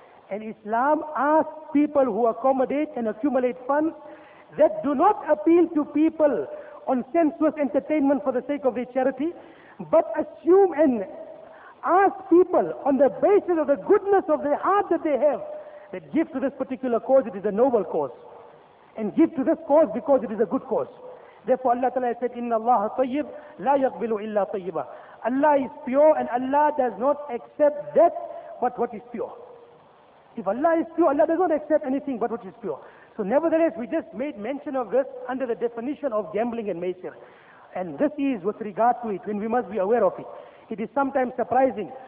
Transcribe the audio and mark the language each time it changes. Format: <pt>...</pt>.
<en>And Islam asks people who accommodate and accumulate funds that do not appeal to people on sensuous entertainment for the sake of their charity, but assume and ask people on the basis of the goodness of the heart that they have, that give to this particular cause, it is a noble cause. And give to this cause because it is a good cause. Therefore Allah Ta'ala said,</en> <ar>إِنَّ اللَّهَ طَيِّبٌ لَا يَقْبِلُ إِلَّا طَيِّبًا.</ar> <en>Allah is pure and Allah does not accept that but what is pure. If Allah is pure, Allah does not accept anything but what is pure. So nevertheless, we just made mention of this under the definition of gambling and maisir. And this is with regard to it, when we must be aware of it. It is sometimes surprising.</en>